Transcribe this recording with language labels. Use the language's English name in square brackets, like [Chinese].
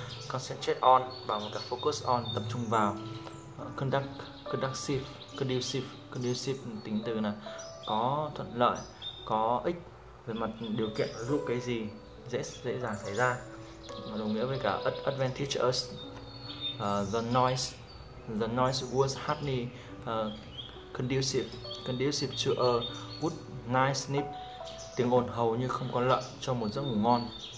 [Vietnamese] Concentrate on bằng cả focus on, tập trung vào. Conducive tính từ là có thuận lợi, có ích về mặt điều kiện, giúp cái gì dễ dàng xảy ra, mà đồng nghĩa với cả advantageous. [English] The noise was hardly conducive to a good night's sleep. [Vietnamese] Tiếng ồn hầu như không có lợi cho một giấc ngủ ngon.